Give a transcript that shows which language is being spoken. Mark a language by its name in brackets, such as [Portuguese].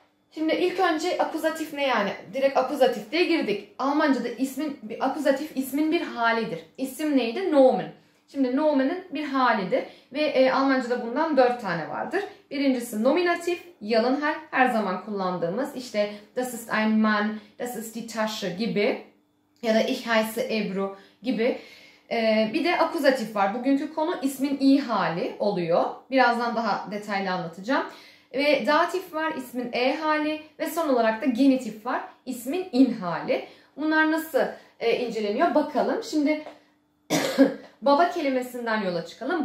[Turkish] Şimdi ilk önce akkusativ ne yani? Direkt akkusativ diye girdik. Almanca'da ismin, akkusativ ismin bir halidir. İsim neydi? Nomen. Şimdi nomenin bir halidir. Ve Almanca'da bundan 4 tane vardır. Birincisi nominatif, yalın hal, her zaman kullandığımız. İşte [German] das ist ein Mann, das ist die Tasche [Turkish] gibi. Ya da [German] ich heiße Ebru [Turkish] gibi. Bir de akkusativ var. Bugünkü konu ismin iyi hali oluyor. Birazdan daha detaylı anlatacağım. Ve datif var, ismin e hali ve son olarak da genitif var, ismin in hali. Bunlar nasıl inceleniyor? Bakalım. Şimdi baba kelimesinden yola çıkalım.